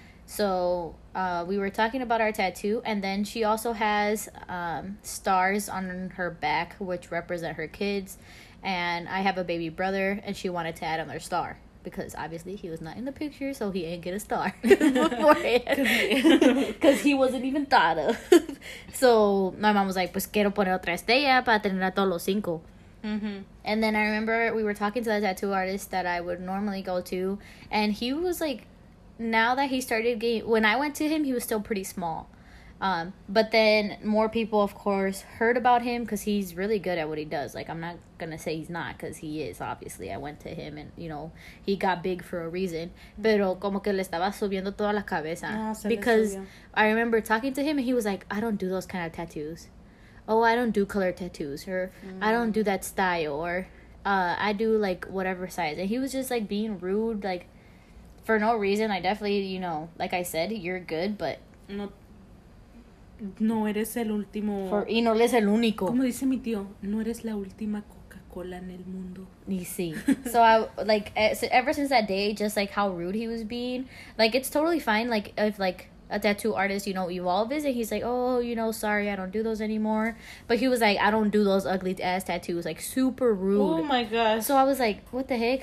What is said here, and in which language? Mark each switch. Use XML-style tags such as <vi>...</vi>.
<en>So we were talking about our tattoo, and then she also has stars on her back which represent her kids, and I have a baby brother, and she wanted to add another star because obviously he was not in the picture, so he ain't get a star beforehand because he wasn't even thought of. So my mom was like,</en> <es>pues quiero poner otra estrella para tener a todos los cinco.</es> <en>And then I remember we were talking to the tattoo artist that I would normally go to, and he was like, now that he started getting, when I went to him, he was still pretty small. But then more people, of course, heard about him because he's really good at what he does. Like, I'm not going to say he's not, because he is, obviously. I went to him and, you know, he got big for a reason.</en> <es>Pero como que le estaba subiendo toda la cabeza.</es> <en>Because I remember talking to him and he was like, I don't do those kind of tattoos. Oh, I don't do color tattoos, or I don't do that style, or I do, like, whatever size. And he was just, like, being rude, like, for no reason. I definitely, you know, like I said, you're good, but...</en> <es>No eres el último... Y no eres el único. Como dice mi tío, no eres la última Coca-Cola en el mundo. Y sí.</es> <en>So, I, like, ever since that day, just, like, how rude he was being, like, it's totally fine, like, if, like... a tattoo artist, you know, evolves, and he's like, oh, you know, sorry, I don't do those anymore. But he was like, I don't do those ugly ass tattoos, like, super rude. Oh my gosh. So I was like, what the heck?</en>